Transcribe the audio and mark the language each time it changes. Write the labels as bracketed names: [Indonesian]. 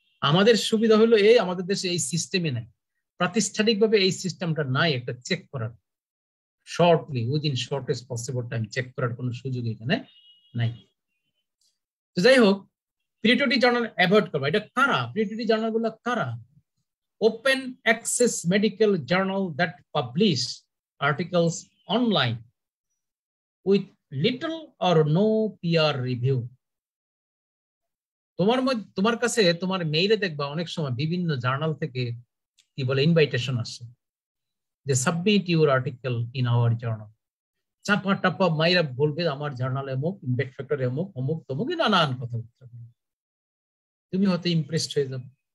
[Bangla] আমাদের সুবিধা হলো এই, আমাদের দেশে এই সিস্টেমই নাই, প্রাতিষ্ঠানিকভাবে এই সিস্টেমটা নাই একটা চেক করার, [English] shortly within shortest possible time [Bangla] check করার কোনো সুযোগ এখানে নাই। তো যাই হোক, প্রিডেটরি জার্নাল অ্যাভয়েড করবা। এটা কারা প্রিডেটরি জার্নালগুলো কারা? [English] Open access medical journal that publish articles online with little or no peer review. [Bangla] তোমার মধ্যে তোমার কাছে তোমার মেইলে দেখবা অনেক সময় বিভিন্ন জার্নাল থেকে কি বলে ইনভাইটেশন আসে যে [English] Submit your article in our journal. [Bangla] চাপা টাপা মাইরা বলবে আমার জার্নাল অমুক, ইম্প্যাক্ট ফ্যাক্টর অমুক, অমুক তমুক, নানান কথাবার্তা বলবে, তুমি হয়তো ইমপ্রেসড হয়ে যাবে।